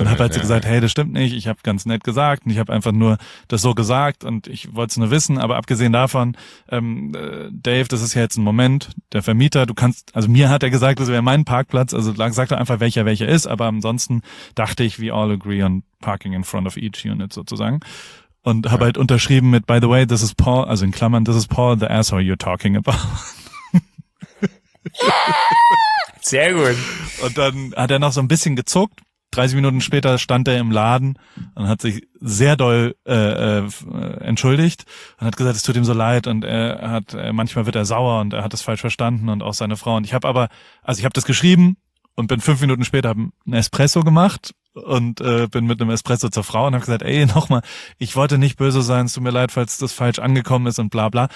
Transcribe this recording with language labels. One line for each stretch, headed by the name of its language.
German: Und hab halt so gesagt, hey, das stimmt nicht, ich habe ganz nett gesagt und ich habe einfach nur das so gesagt und ich wollte es nur wissen, aber abgesehen davon, Dave, das ist ja jetzt ein Moment, der Vermieter, du kannst, also mir hat er gesagt, das wäre mein Parkplatz, also sag doch einfach, welcher ist, aber ansonsten dachte ich,
English: we all agree on parking in front of each unit
German: sozusagen. Und habe halt unterschrieben mit,
English: by the way, this is Paul,
German: also in Klammern,
English: this is Paul, the asshole you're talking about.
German: Sehr gut. Und dann hat er noch so ein bisschen gezuckt. 30 Minuten später stand er im Laden und hat sich sehr doll entschuldigt und hat gesagt, es tut ihm so leid und er hat, manchmal wird er sauer und er hat es falsch verstanden und auch seine Frau. Und ich habe aber, also ich habe das geschrieben und bin 5 Minuten später, habe einen Espresso gemacht und bin mit einem Espresso zur Frau und habe gesagt, ey, nochmal, ich wollte nicht böse sein, es tut mir leid, falls das falsch angekommen ist und bla bla.